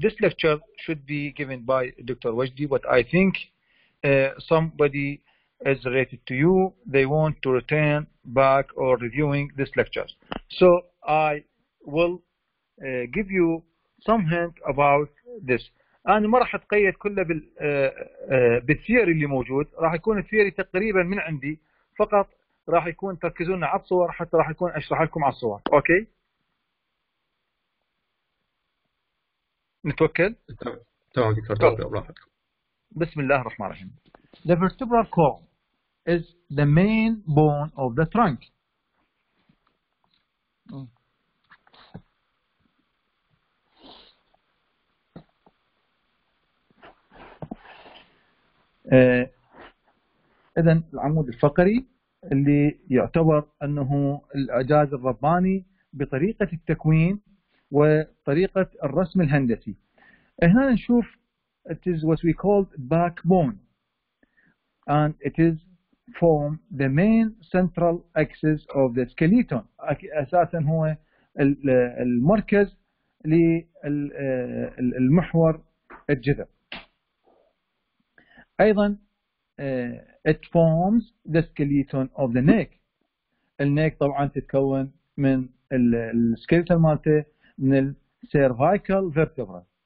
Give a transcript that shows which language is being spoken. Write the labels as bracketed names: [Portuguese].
[English] This lecture should be given by Dr. Wajdi, but I think somebody is related to you. They want to return back or reviewing this lecture. So I will give you some hint about this. [Arabic] أنا ما راح أتقيد كله بالثيوري اللي موجود، راح يكون الثيوري تقريبا من عندي فقط، راح يكون تركزون على الصور حتى راح يكون أشرح لكم على الصور. أوكي؟ نتوكل؟ تمام دكتور، تمام براحتكم. بسم الله الرحمن الرحيم. [English] The vertebral column is the main bone of the trunk. [Arabic] إذن العمود الفقري اللي يعتبر أنه الإعجاز الرباني بطريقة التكوين وطريقة الرسم الهندسي. هنا نشوف [English] it is what we called backbone and it is form the main central axis of the skeleton. [Arabic] أساسا هو المركز للمحور الجذع. أيضا [English] it forms the skeleton of the neck. [Arabic] النيك طبعا تتكون من السكيلتون مالته من السيرفايكال فيرتبرا.